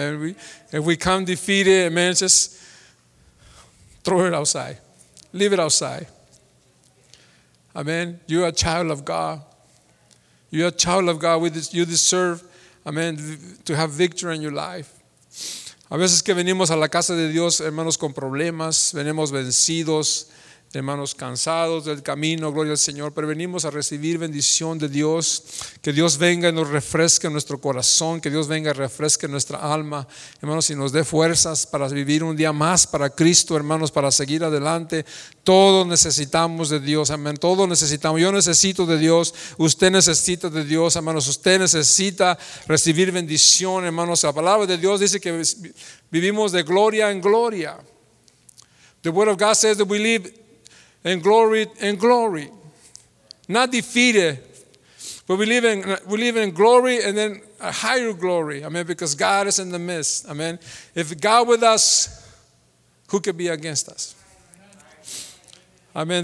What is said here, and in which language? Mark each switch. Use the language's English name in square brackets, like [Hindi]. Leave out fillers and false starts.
[English] And if we come defeated, man, just throw it outside. Leave it outside. Amen. You're a child of God. You're a child of God. You deserve, amen, to have victory in your life. [Spanish] A veces que venimos a la casa de Dios, hermanos, con problemas, venimos vencidos, hermanos, cansados del camino, gloria al Señor, pero venimos a recibir bendición de Dios, que Dios venga y nos refresque nuestro corazón, que Dios venga y refresque nuestra alma, hermanos, y nos dé fuerzas para vivir un día más para Cristo, hermanos, para seguir adelante. Todos necesitamos de Dios, amén, todos necesitamos. Yo necesito de Dios, usted necesita de Dios, hermanos, usted necesita recibir bendición, hermanos. La palabra de Dios dice que vivimos de gloria en gloria. [English] The word of God says that we live in glory, not defeated, but we live in glory and then a higher glory, amen, because God is in the midst, amen. If God with us, who could be against us? Amen.